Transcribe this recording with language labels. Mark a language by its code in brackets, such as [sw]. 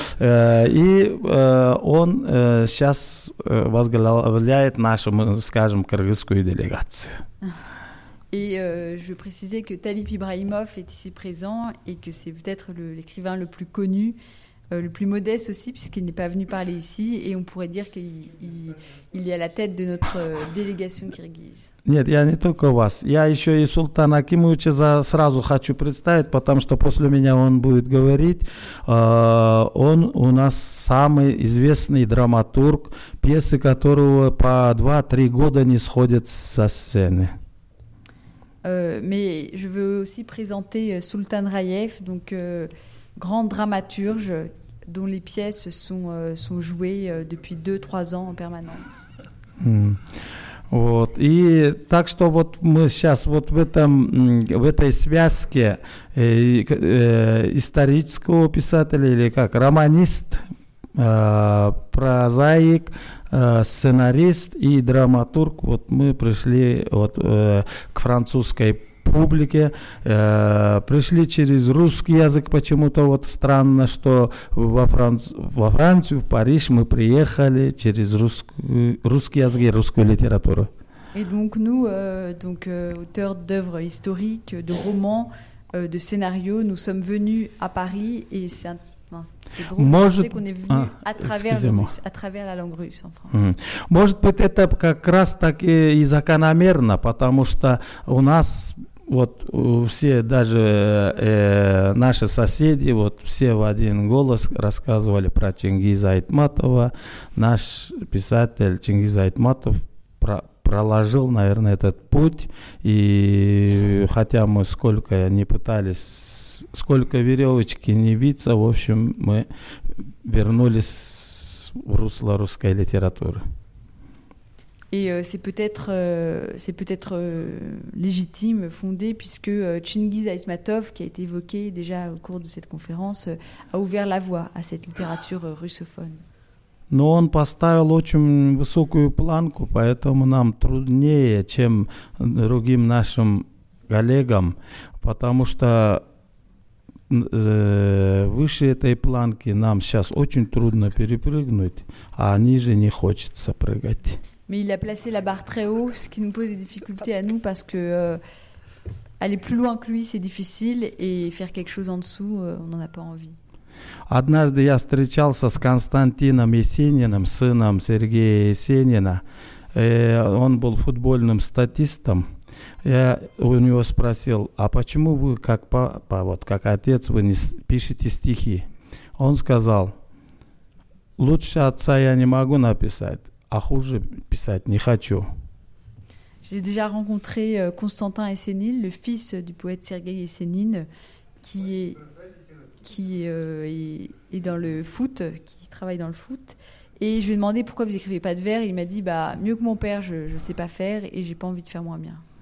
[ru] И он сейчас возглавляет нашу, скажем, кыргызскую делегацию. [fr] Et je veux préciser que Talip Ibrahimov est ici présent et que c'est peut-être l'écrivain le plus connu, le plus modeste aussi, puisqu'il n'est pas venu parler ici. Et on pourrait dire qu'il est à la tête de notre délégation kirghize. [ru] Нет, я не только вас. Я еще и Султана Акимовича сразу хочу представить, потому что после меня он будет говорить. Он у нас самый известный драматург, пьесы которого по 2-3 года не сходят со сцены. [fr] Mais je veux aussi présenter Sultan Raïef, donc grand dramaturge dont les pièces sont jouées depuis 2-3 ans en permanence. [ru] Вот. И так что вот мы сейчас вот в этой связке исторического писателя или как романист, прозаик, сценарист и драматург, вот мы пришли вот к французской публике, пришли через русский язык, почему-то вот странно, что во Францию, в Париж мы приехали через русский язык и русскую литературу. [fr] И donc nous, donc auteurs d'œuvres historiques, de romans, de scénario. Nous sommes venus à Paris et c'est un [ru] Может, быть, это как раз так и закономерно, потому что у нас вот все, даже наши соседи, вот все в один голос рассказывали про Чингиза Айтматова. Наш писатель Чингиз Айтматов проложил, наверное, этот путь, и хотя мы сколько не пытались, сколько веревочки не виться, в общем, мы вернулись в русло русской литературы. [fr] И c'est peut-être légitime, fondé, puisque Чингиз Айтматов, qui a été évoqué déjà au cours de cette conférence, a ouvert la voie à cette littérature russophone. [ru] Но он поставил очень высокую планку, поэтому нам труднее, чем другим нашим коллегам, потому что выше этой планки нам сейчас очень трудно перепрыгнуть, а ниже не хочется прыгать. [fr] Mais il a placé la barre très haut, ce qui nous pose des difficultés à nous, parce que aller plus loin que lui, c'est difficile, et faire quelque chose en dessous, on n'en a pas envie. [ru] Однажды я встречался с Константином Есениным, сыном Сергея Есенина. Он был футбольным статистом. Я у него спросил, а почему вы, как папа, вот как отец, вы не пишете стихи? Он сказал, лучше отца я не могу написать, а хуже писать не хочу. [fr] J'ai déjà rencontré Constantin Essénine, le fils du poète Сергей Есенин, qui est qui est dans le foot, qui travaille dans le foot. Et je lui ai demandé pourquoi vous n'écrivez pas de vers. Il m'a dit, bah, mieux que mon père, je ne sais pas faire et je n'ai pas envie de faire moins bien.